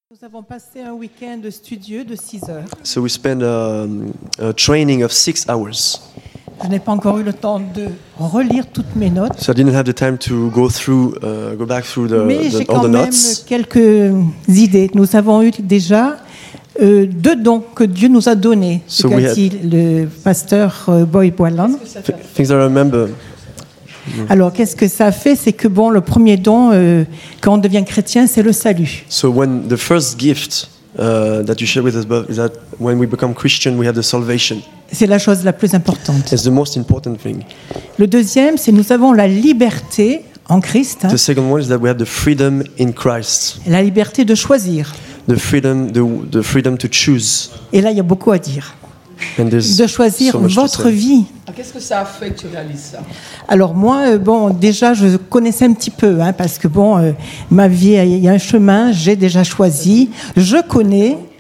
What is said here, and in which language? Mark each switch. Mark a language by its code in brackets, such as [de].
[fr] Nous avons passé un week-end studieux de 6 heures. [en] So we spent a training of 6 hours. [fr] Je n'ai pas encore eu le temps de relire toutes mes notes. [en] So I didn't have the time to go back through the notes. [fr] Mais j'ai quand même quelques idées. Nous avons eu déjà deux dons que Dieu nous a donnés, [en] so [fr] qu'a dit le pasteur Boy Boiland. [en] Things I remember. [fr] Alors, qu'est-ce que ça fait? C'est que, bon, le premier don, quand on devient chrétien, c'est le salut. [en] So when the first gift that you share with us is that when we become Christian, we have the salvation. [fr] C'est la chose la plus importante. [en] It's the most important thing. [fr] Le deuxième, c'est nous avons la liberté en Christ. [en] The second one is that we have the freedom in Christ. [fr] La liberté de choisir. [en] The freedom to choose. [fr] Et là, il y a beaucoup à dire. De choisir [en] so [fr] votre vie. Qu'est-ce que ça a fait que tu réalises ça? Alors moi, bon, déjà, je connaissais un petit peu, hein, parce que bon, ma vie, il y a un chemin, j'ai déjà choisi, je connais.